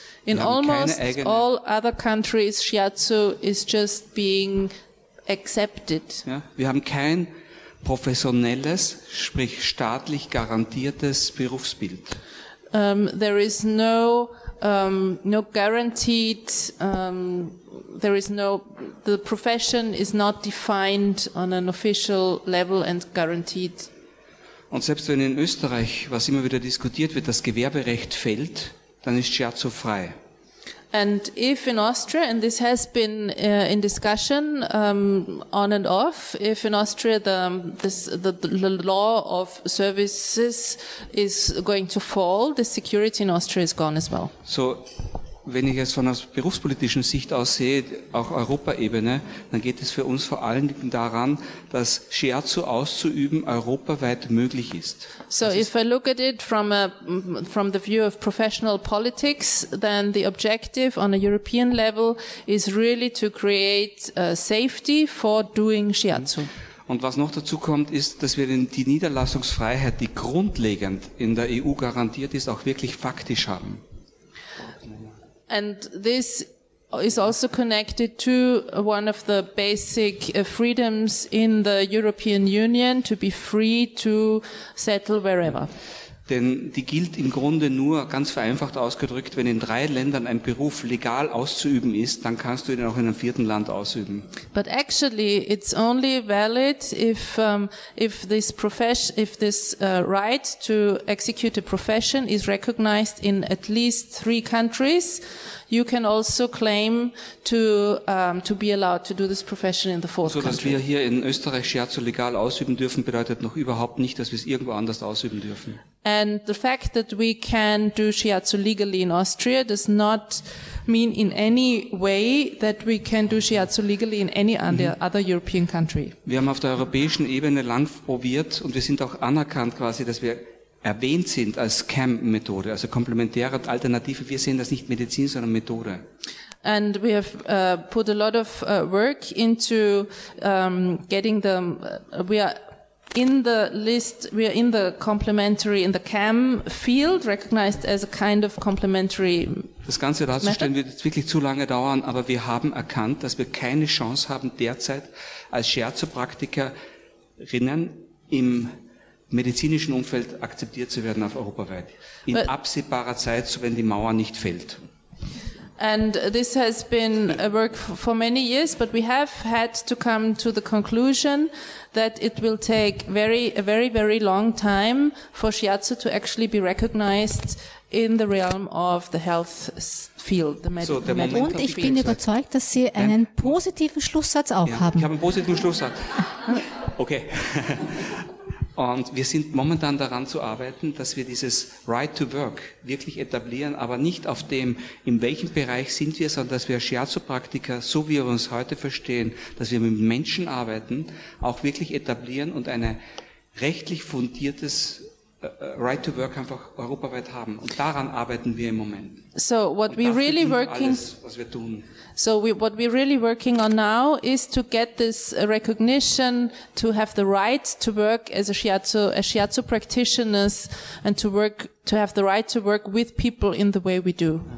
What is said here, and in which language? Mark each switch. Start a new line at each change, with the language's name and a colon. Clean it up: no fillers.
English: In almost all other countries, Shiatsu is just being accepted.
German: Ja, wir haben kein professionelles, sprich staatlich garantiertes Berufsbild.
English: There is no guaranteed, there is no, the profession is not defined on an official level and guaranteed.
German: Und selbst wenn in Österreich, was immer wieder diskutiert wird, das Gewerberecht fällt, dann ist Shiatsu frei.
English: And if in Austria, and this has been in discussion on and off, if in Austria the law of services is going to fall, the security in Austria is gone as well.
German: So, wenn ich es von der berufspolitischen Sicht aus sehe, auch Europaebene, dann geht es für uns vor allen Dingen daran, dass Shiatsu auszuüben europaweit möglich ist.
English: So if I look at it from the view of professional politics, then the objective on a European level is really to create safety for doing Shiatsu.
German: Und was noch dazu kommt, ist, dass wir die Niederlassungsfreiheit, die grundlegend in der EU garantiert ist, auch wirklich faktisch haben.
English: And this is also connected to one of the basic freedoms in the European Union, to be free to settle wherever.
German: Denn die gilt im Grunde nur, ganz vereinfacht ausgedrückt, wenn in drei Ländern ein Beruf legal auszuüben ist, dann kannst du ihn auch in einem vierten Land ausüben.
English: But actually, it's only valid if this right to execute a profession is recognized in at least three countries, you can also claim to be allowed to do this profession in the fourth country.
German: So, dass wir hier in Österreich Scherzo legal ausüben dürfen, bedeutet noch überhaupt nicht, dass wir es irgendwo anders ausüben dürfen.
English: And the fact that we can do shiatsu legally in Austria does not mean in any way that we can do shiatsu legally in any other European country.
German: Wir haben auf der europäischen Ebene lang probiert und wir sind auch anerkannt quasi, dass wir erwähnt sind als CAM-Methode, also komplementäre Alternative. Wir sehen das nicht Medizin, sondern Methode.
English: And we have put a lot of work into getting the we are in the complementary, in the CAM field, recognized as a kind of complementary.
German: Das Ganze darzustellen wird jetzt wirklich zu lange dauern, aber wir haben erkannt, dass wir keine Chance haben, derzeit als Scherzopraktikerinnen im medizinischen Umfeld akzeptiert zu werden auf europaweit. In absehbarer Zeit, so wenn die Mauer nicht fällt.
English: And this has been a work for many years, but we have had to come to the conclusion that it will take a very, very long time for Shiatsu to actually be recognized in the realm of the health field, the medical field.
German: Und ich bin überzeugt, dass Sie einen positiven Schlusssatz auch haben. Ich habe einen positiven Schlusssatz. Okay. Und wir sind momentan daran zu arbeiten, dass wir dieses Right to Work wirklich etablieren, aber nicht auf dem, in welchem Bereich sind wir, sondern dass wir Shiatsu-Praktiker, so wie wir uns heute verstehen, dass wir mit Menschen arbeiten, auch wirklich etablieren und ein rechtlich fundiertes Right to Work einfach europaweit haben. Und daran arbeiten wir im Moment.
English: So what we really working
German: alles, was wir tun.
English: So what we're really working on now is to get this recognition, to have the right to work as a shiatsu practitioners, and to work, to have the right to work with people in the way we do.